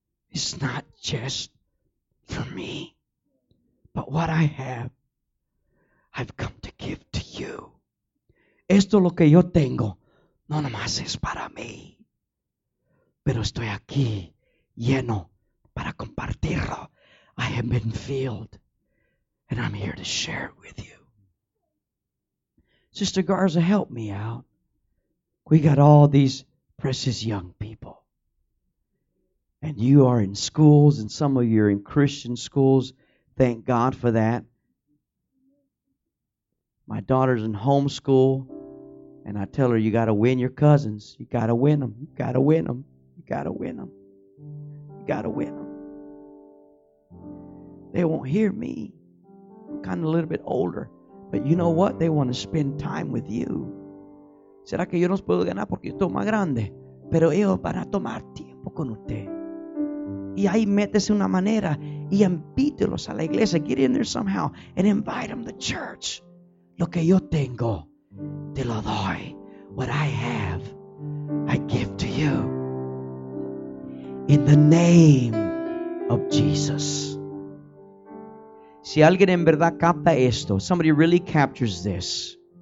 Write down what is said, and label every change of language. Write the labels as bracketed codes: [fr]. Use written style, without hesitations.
[en] It's not just for me, but what I have, I've come to give to you. [es] Esto lo que yo tengo, no nomás es para mí. Pero estoy aquí, lleno, para compartirlo. [en] I have been filled, and I'm here to share it with you. Sister Garza, help me out. We got all these precious young people. And you are in schools, and some of you are in Christian schools. Thank God for that. My daughter's in homeschool, and I tell her, you got to win your cousins. You got to win them. You got to win them. You got to win them. You got to win them. They won't hear me. I'm kind of a little bit older. But you know what? They want to spend time with you. [es] ¿Será que yo no puedo ganar porque estoy más grande? Pero ellos van a tomar tiempo con usted. Y ahí métese una manera y invítelos a la iglesia. [en] Get in there somehow and invite them to church. [es] Lo que yo tengo, te lo doy. [en] What I have, I give to you. In the name of Jesus. [es] Si alguien en verdad capta esto, [en] somebody really captures this.